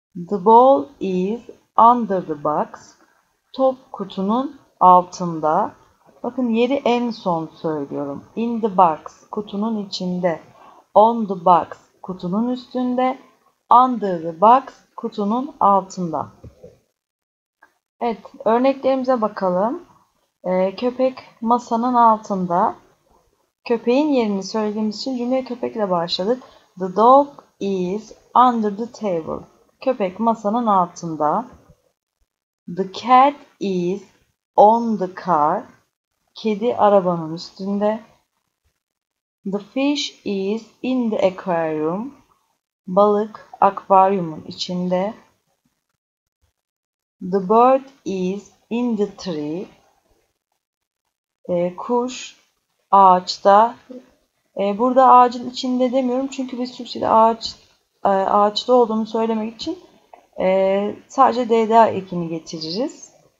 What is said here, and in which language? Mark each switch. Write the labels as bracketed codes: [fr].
[en] The ball is under the box. [tr] Top kutunun altında. Bakın, yeri en son söylüyorum. [en] In the box. [tr] Kutunun içinde. [en] On the box. [tr] Kutunun üstünde. [en] Under the box. [tr] Kutunun altında. Evet, örneklerimize bakalım. Köpek masanın altında. Köpeğin yerini söylediğimiz için cümleye köpekle başladık. [en] The dog is under the table. [tr] Köpek masanın altında. [en] The cat is on the car. [tr] Kedi arabanın üstünde. [en] The fish is in the aquarium. [tr] Balık akvaryumun içinde. [en] The bird is in the tree. [tr] Kuş ağaçta. Burada ağacın içinde demiyorum çünkü biz Türkçe'de ağaçta olduğunu söylemek için sadece DDA ekini getiririz.